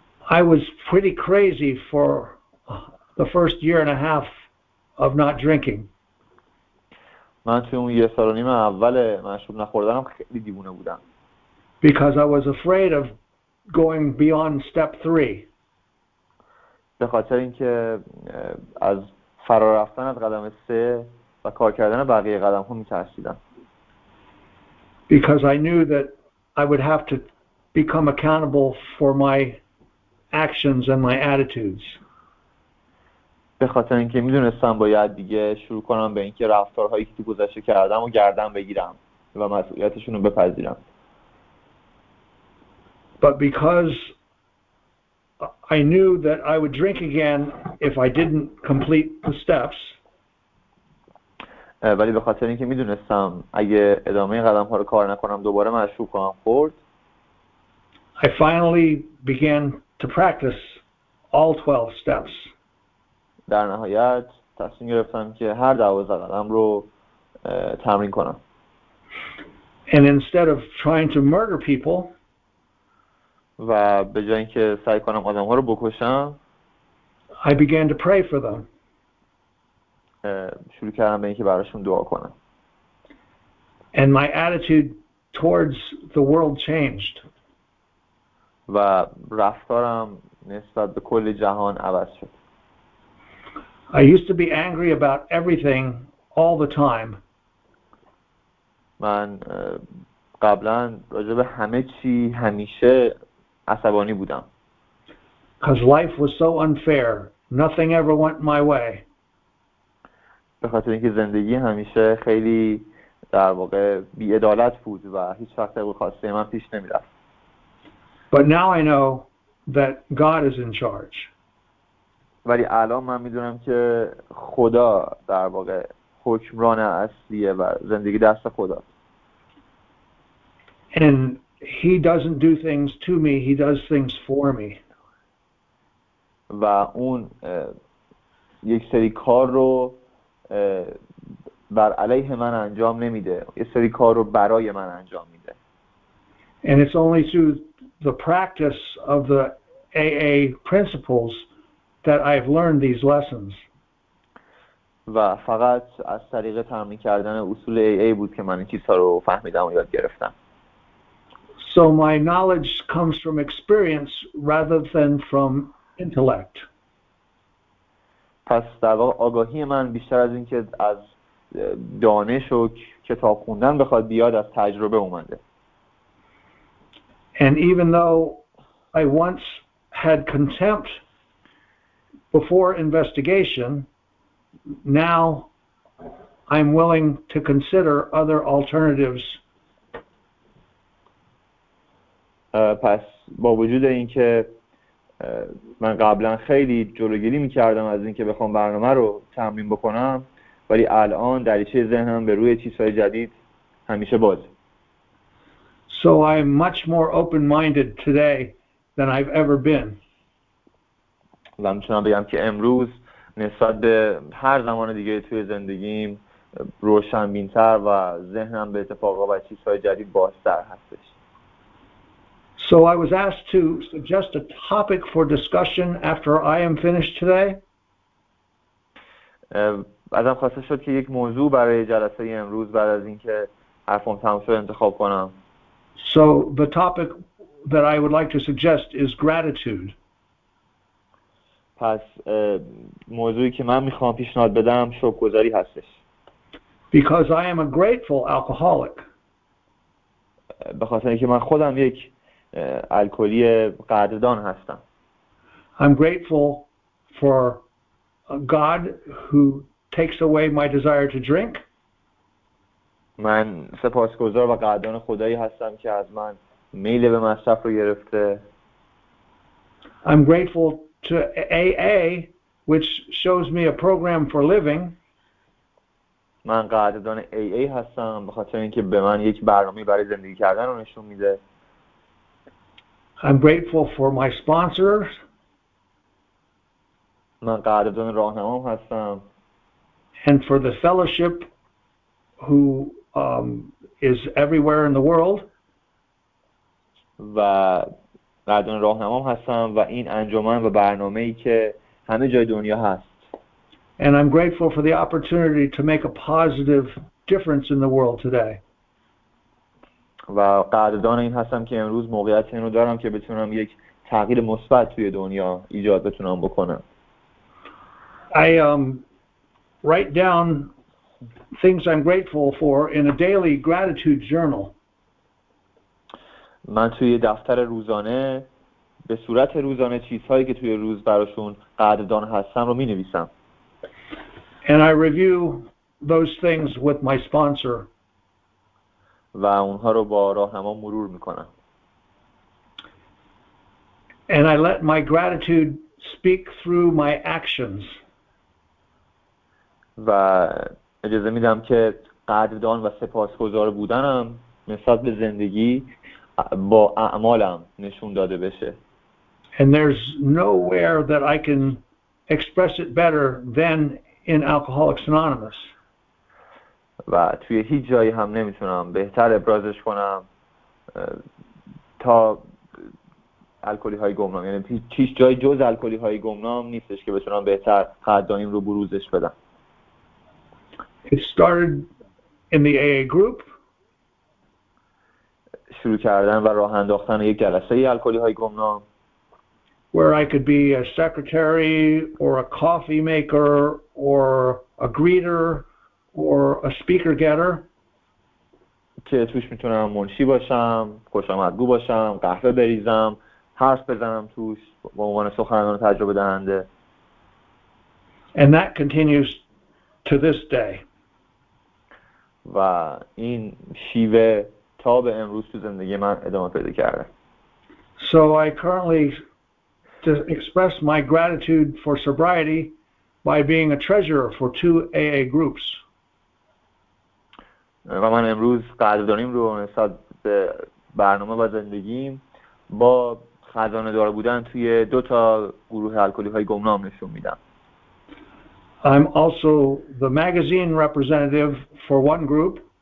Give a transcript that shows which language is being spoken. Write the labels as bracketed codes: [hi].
[en] I was pretty crazy for the first year and a half of not drinking. [fa] من توی اون یه سال و نیم اول مشروب نخوردنم خیلی دیوونه بودم. [en] Because I was afraid of going beyond step 3. [fa] به خاطر اینکه از فرار رفتن از قدم 3 و کار کردن بقیه قدم‌ها می‌ترسیدم. [en] Because I knew that I would have to become accountable for my actions and my attitudes. [fa] به خاطر اینکه می‌دونستم باید دیگه شروع کنم به اینکه رفتارهایی که تو گذشته کردم و گردن بگیرم و مسئولیتشون رو بپذیرم. [en] But because I knew that I would drink again if I didn't complete the steps. [fa] ولی به خاطر اینکه میدونستم اگه ادامه قدم‌ها رو کار نکنم دوباره مشروب خواهم خورد. [en] I finally began to practice all 12 steps. [fa] در نهایت تصمیم گرفتم که هر 12 قدم رو تمرین کنم. [en] And instead of trying to murder people, [fa] و به جای اینکه سعی کنم آدم‌ها رو بکشم [en] I began to pray for them. [fa] شروع کردم به اینکه براشون دعا کنم. [en] And my attitude towards the world changed. [fa] و رفتارم نسبت به کل جهان عوض شد. [en] I used to be angry about everything all the time. [fa] من قبلا راجع به همه چی همیشه عصبانی بودم. [en] Because life was so unfair. Nothing ever went my way. [fa] به خاطر اینکه زندگی همیشه خیلی در واقع بی‌عدالت بود و هیچ وقت به خواسته من پیش نمی‌رفت. [en] But now I know that God is in charge. [fa] ولی الان من می‌دونم که خدا در واقع حکمران اصلیه و زندگی دست خداست. [en] And he doesn't do things to me, he does things for me. [fa] و اون یک سری کار رو بر علیه من انجام نمیده، یه سری کار رو برای من انجام میده. [en] And it's only through the practice of the AA principles that I've learned these lessons. [fa] و فقط از طریق تمرین کردن اصول AA بود که من این چیزها رو فهمیدم و یاد گرفتم. [en] So my knowledge comes from experience rather than from intellect. [fa] پس در واقع آگاهی من بیشتر از اینکه از دانش و کتاب خوندن بخواد بیاد از تجربه اومده. [en] And even though I once had contempt before investigation, now I'm willing to consider other alternatives. [fa] پس با وجود اینکه من قبلا خیلی جلوگیری میکردم از اینکه بخوام برنامه رو تمرین بکنم، ولی الان دریچه ذهنم به روی چیزهای جدید همیشه باز. [en] So I'm much more open-minded today than I've ever been. [fa] و میتونم بگم که امروز نسبت به هر زمان دیگه توی زندگیم روشنبین‌تر و ذهنم به اتفاقا و چیزهای جدید بازتر هستش. [en] So I was asked to suggest a topic for discussion after I am finished today. [fa] ازم خواسته شد که یک موضوع برای جلسه امروز بعد از اینکه حرفم تموم شد انتخاب کنم. [en] So the topic that I would like to suggest is gratitude. [fa] پس موضوعی که من میخوام پیشنهاد بدم شکرگزاری هستش. [en] Because I am a grateful alcoholic. [fa] به خاطر اینکه من خودم یک الکلی قدردان هستم. [en] I'm grateful for God who takes away my desire to drink. [fa] من سپاسگزار و قدردان خدایی هستم که از من میل به مصرف رو گرفته. [en] I'm grateful to AA which shows me a program for living. [fa] من قدردان AA هستم به خاطر اینکه به من یک برنامه برای زندگی کردن رو نشون میده. [en] I'm grateful for my sponsors. [fa] من قدردان راهنمام هستم. [en] And for the fellowship who is everywhere in the world. [fa] و قدردان راهنمام هستم و این انجمن و برنامه‌ای که همه جای دنیا هست. [en] And I'm grateful for the opportunity to make a positive difference in the world today. [fa] و قدردان این هستم که امروز موقعیت این رو دارم که بتونم یک تغییر مثبت توی دنیا ایجاد بتونم بکنم. [en] I write down things I'm grateful for in a daily gratitude journal. [fa] من توی دفتر روزانه به صورت روزانه چیزهایی که توی روز براشون قدردان هستم رو می‌نویسم. [en] And I review those things with my sponsor. [fa] و اونها رو با راهنما مرور میکنم. [en] And I let my gratitude speak through my actions. [fa] و اجازه میدم که قدردان و سپاسگزار بودنم نسبت به زندگی با اعمالم نشون داده بشه. [en] And there's nowhere that I can express it better than in Alcoholics Anonymous. [fa] و توی هیچ جایی هم نمیتونم بهتر ابرازش کنم تا الکلی های گمنام، یعنی هیچ جای جز الکلی های گمنام نیستش که بتونم بهتر قدردانیم رو بروزش بدم. [en] It started in the AA group. [fa] شروع کردن و راه انداختن یک جلسه الکلی های گمنام. [en] Where I could be a secretary or a coffee maker or a greeter or a speaker getter. [fa] که توش میتونم منشی باشم، خوشامدگو باشم، قهوه بریزم، حرف بزنم توش. با عنوان سخنران تجربه دهنده. [en] And that continues to this day. [fa] و این شیوه تا به امروز تو زندگی من ادامه پیدا کرده. [en] So I currently to express my gratitude for sobriety by being a treasurer for two AA groups. [fa] و من امروز قدردانیم رو نسبت به برنامه و زندگیم با خزانه دار بودن توی دو تا گروه الکلی های گمنام نشون میدم. [en] I'm also the magazine representative for one group.